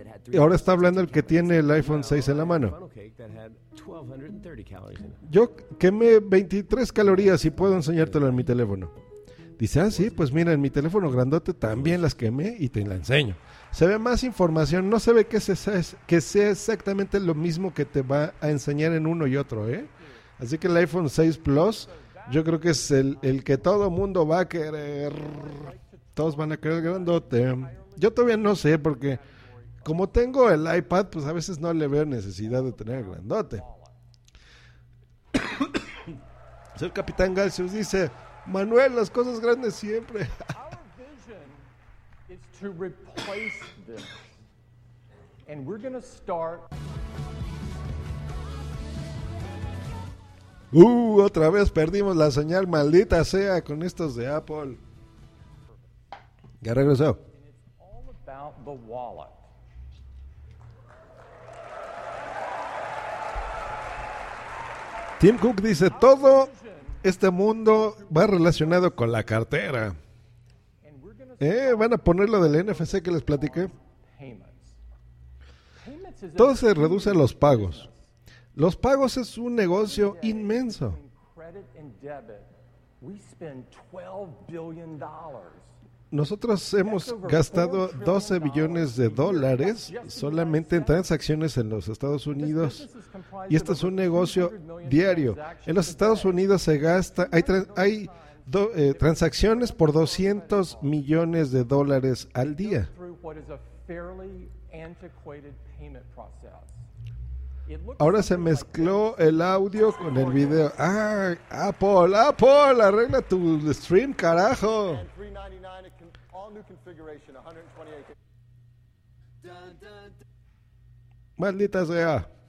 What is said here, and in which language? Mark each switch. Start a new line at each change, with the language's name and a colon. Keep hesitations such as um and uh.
Spanish: Y ahora está hablando el que tiene el iPhone 6 en la mano.
English: Funnel cake that had 1230 calories in it.
Spanish: Yo quemé 23 calorías y puedo enseñártelo en mi teléfono. Dice, ah, sí, pues mira, en mi teléfono grandote también las quemé y te la enseño. Se ve más información, no se ve que, se sea, que sea exactamente lo mismo que te va a enseñar en uno y otro, ¿eh? Así que el iPhone 6 Plus, yo creo que es el, el que todo mundo va a querer. Todos van a querer el grandote. Yo todavía no sé, porque como tengo el iPad, pues a veces no le veo necesidad de tener el grandote. El capitán Galsius dice, Manuel, las cosas grandes siempre.
English: Our vision is to replace this. And we're going to start
Spanish: Uh, otra vez perdimos la señal, maldita sea, con estos de Apple. Ya regresó.
English: all about the wallet.
Spanish: Tim Cook dice, todo este mundo va relacionado con la cartera.
English: And we're going to
Spanish: Eh, van a poner lo del NFC que les platiqué.
English: payments. Payments is
Spanish: Todo se reduce a los pagos. Los pagos es un negocio inmenso.
English: between credit and debit. We spend 12 billion dollars.
Spanish: Nosotros hemos gastado 12 billones de dólares solamente en transacciones en los Estados Unidos. Y este es un negocio diario. En los Estados Unidos se gasta, hay, tran- hay do- eh, transacciones por 200 millones de dólares al día.
English: through what is a fairly antiquated payment process. It looks
Spanish: Ahora se mezcló el audio con el video. Ah, Apple, Apple, arregla tu stream, carajo.
English: And 399 a con- all new configuration, 128.
Spanish: Maldita sea.